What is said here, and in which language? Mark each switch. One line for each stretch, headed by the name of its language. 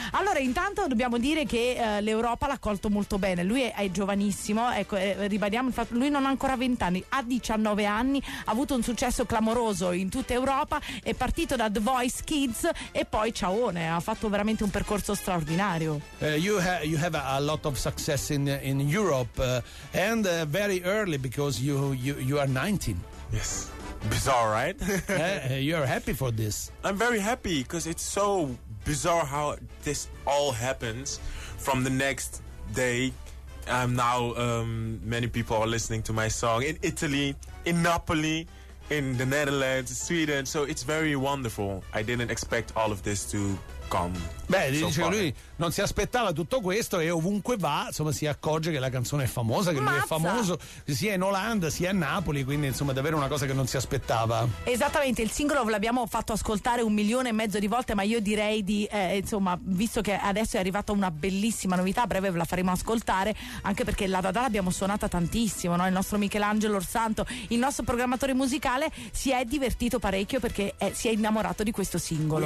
Italian: Allora, intanto dobbiamo dire che l'Europa l'ha accolto molto bene. Lui è giovanissimo, ecco, ribadiamo il fatto, lui non ha ancora 20 anni, ha 19 anni, ha avuto un successo clamoroso in tutta Europa, è partito da The Voice Kids e poi ciaone, ha fatto veramente un percorso straordinario.
English: You have a lot of success in Europe and very early because you are 19. Yes, bizarre, right? You're happy for this. I'm very happy because it's so bizarre how this all happens. From the next day I'm now many people are listening to my song in Italy, in Napoli, in the Netherlands, Sweden, so it's very wonderful. I didn't expect all of this to come.
Italian: Beh,
English: so
Italian: dice
English: far.
Italian: Lui, non si aspettava tutto questo e ovunque va, insomma, si accorge che la canzone è famosa, che lui è famoso sia in Olanda sia a Napoli, quindi insomma davvero una cosa che non si aspettava. Esattamente, il singolo l'abbiamo fatto ascoltare 1,5 milioni di volte, ma io direi di insomma, visto che adesso è arrivata una bellissima novità, a breve ve la faremo ascoltare, anche perché la Dada l'abbiamo suonata tantissimo, no? Il nostro Michelangelo Orsanto, il nostro programmatore musicale, si è divertito parecchio perché si è innamorato di questo singolo.